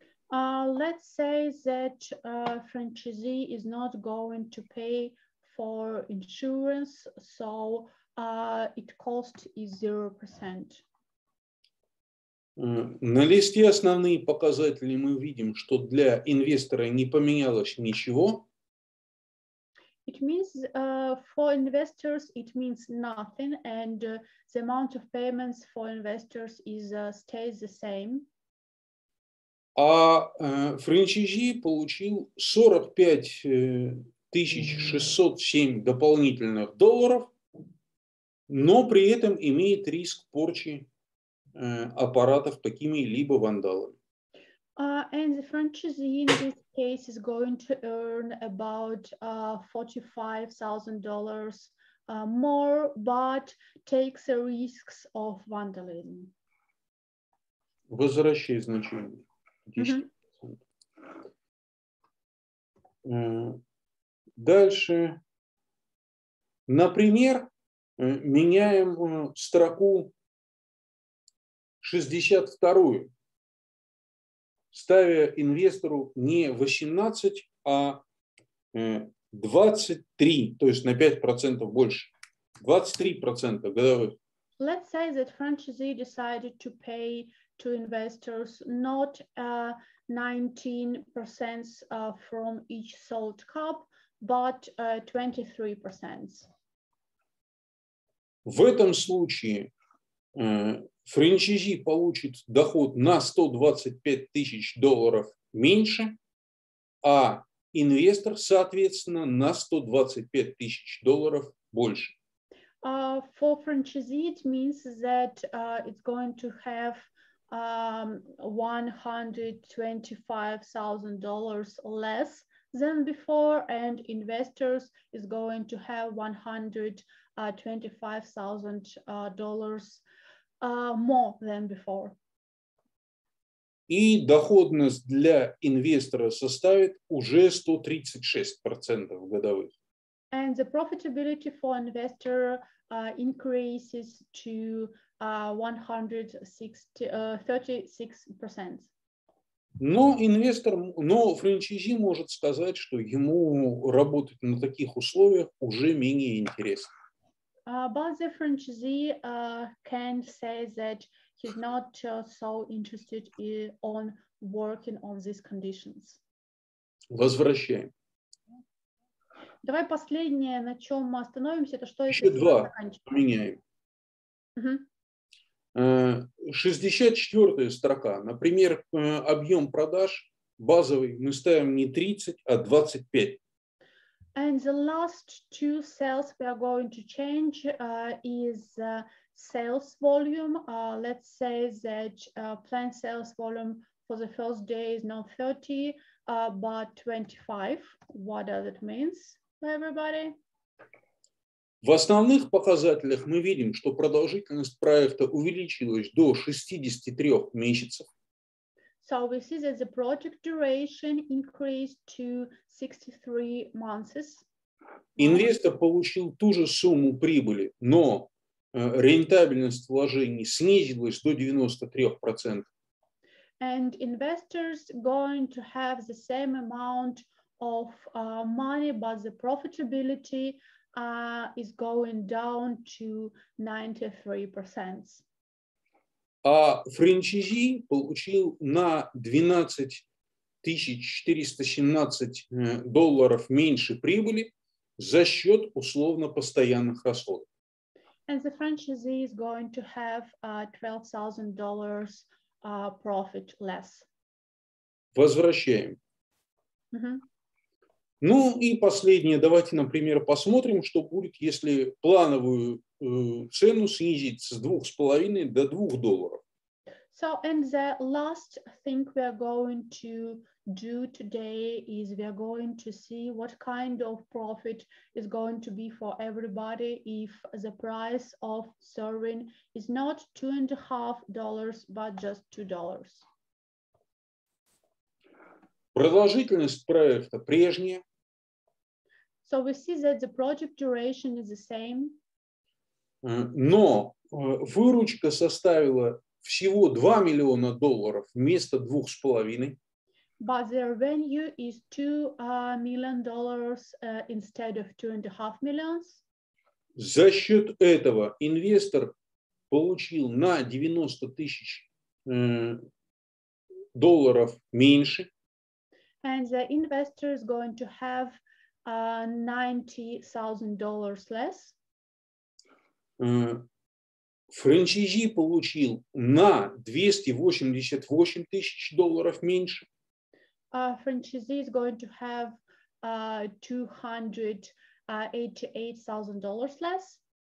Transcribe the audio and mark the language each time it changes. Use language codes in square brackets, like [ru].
[en] Let's say that franchisee is not going to pay for insurance, so it cost is 0%. [ru] На листе основные показатели мы видим, что для инвестора не поменялось ничего. [en] It means for investors it means nothing, and the amount of payments for investors is stays the same. [ru] А франчайзи получил 45 607 дополнительных долларов, но при этом имеет риск порчи аппаратов какими-либо вандалами. [en] And the franchisee in this case is going to earn about $45,000 more, but takes the risks of vandalism. [ru] Возвращай значение. 10%. Mm-hmm. Дальше. Например, меняем строку 62-ю, ставя инвестору не 18, а 23, то есть на 5% больше, 23% годовых. [en] Let's say that franchisee decided to pay to investors not 19% from each sold cup, but 23%. [ru] В этом случае Франчайзи получит доход на 125 тысяч долларов меньше, а инвестор, соответственно, на 125 тысяч долларов больше. [en] For franchisee, it means that it's going to have $125,000 less than before, and investors is going to have $125,000 more than before. [ru] И доходность для инвестора составит уже 136% годовых. [en] And the profitability for investor increases to 136%. [ru] Но франчайзи может сказать, что ему работать на таких условиях уже менее интересно. [en] But the franchisee can say that he's not so interested in on working on these conditions. [ru] Возвращаем. Давай последнее, на чем мы остановимся, это что? Еще два поменяем. Угу. 64-я строка. Например, объем продаж базовый мы ставим не 30, а 25. [en] And the last two sales we are going to change is sales volume. Let's say that planned sales volume for the first day is not 30, but 25. What does it mean? Everybody. [ru] В основных показателях мы видим, что продолжительность проекта увеличилась до 63 месяцев. [en] So we see that the project duration increased to 63 months. [ru] Инвестор получил ту же сумму прибыли, но рентабельность вложений снизилась до 93%. [en] And investors going to have the same amount of money, but the profitability is going down to 93%. [ru] А франчайзи получил на 12 417 долларов меньше прибыли за счет условно постоянных расходов. [en] And the franchisee is going to have $12,000 profit less. [ru] Возвращаем. Mm-hmm. Ну и последнее, давайте, например, посмотрим, что будет, если плановую цену снизить с 2,5 до 2 долларов. [en] So, and the last thing we are going to do today is we are going to see what kind of profit is going to be for everybody if the price of serving is not $2.5, but just $2. [ru] Продолжительность проекта прежняя. [en] So we see that the project duration is the same. [ru] Но выручка составила всего 2 миллиона долларов вместо 2,5. [en] But the revenue is $2 million instead of $2.5 million. [ru] За счет этого инвестор получил на 90 тысяч долларов меньше. [en] And the investor is going to have $90,000 less. [ru] Франчайзи получил на 288 тысяч долларов меньше. [en] Франчайзи is going to have $288,000 less.